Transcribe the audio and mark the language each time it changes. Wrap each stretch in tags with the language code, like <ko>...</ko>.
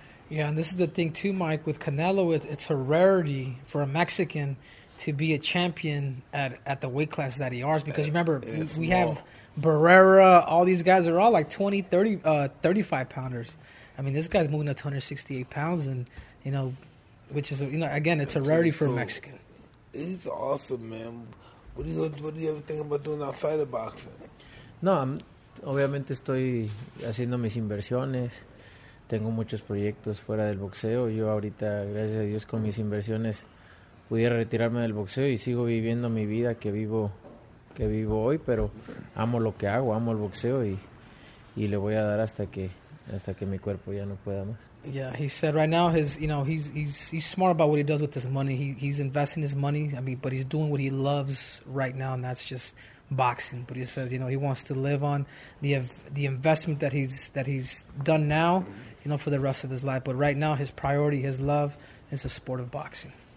<en>Yeah, and this is the thing too, Mike, with Canelo, it's a rarity for a Mexican to be a champion at the weight class that he is, because remember, we have Barrera, all these guys are all like 35 pounders. I mean, this guy's moving to 268 pounds, and, you know, which is, you know, again, it's a rarity for a Mexican. He's awesome, man. What do you ever think about doing outside of boxing?</en> <es>No, obviamente estoy haciendo mis inversiones. tengo muchos proyectos fuera del boxeo. Yo ahorita, gracias a Dios, con mis inversiones pudiera retirarme del boxeo y sigo viviendo mi vida que vivo hoy, pero amo lo que hago, amo el boxeo y le voy a dar hasta que mi cuerpo ya no pueda más.</es> <en>Yeah, he said right now he's smart about what he does with his money. He's investing his money. I mean, but he's doing what he loves right now, and that's just boxing. But he says, you know, he wants to live on the investment that he's done now, you know, for the rest of his life. But right now, his priority, his love, is the sport of boxing.</en>